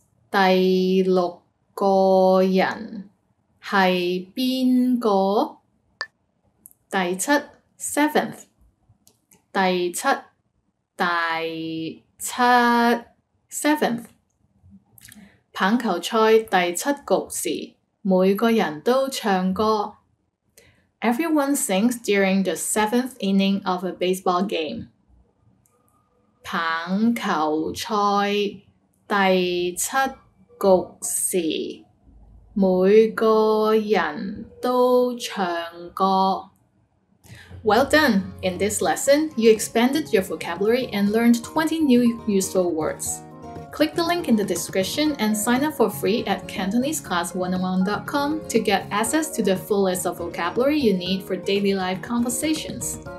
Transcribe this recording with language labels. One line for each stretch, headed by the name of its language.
Cantonese: 第六个人系边个？第七
English: seventh，
Cantonese: 第七，第七
English: seventh。
Cantonese: 棒球赛第七局时，每个人都唱歌。
English: Everyone sings during the seventh inning of a baseball game。
Cantonese: 棒球赛第七局时，每个人都唱歌。
English: Well done! In this lesson, you expanded your vocabulary and learned 20 new useful words. Click the link in the description and sign up for free at CantoneseClass101.com to get access to the full list of vocabulary you need for daily life conversations.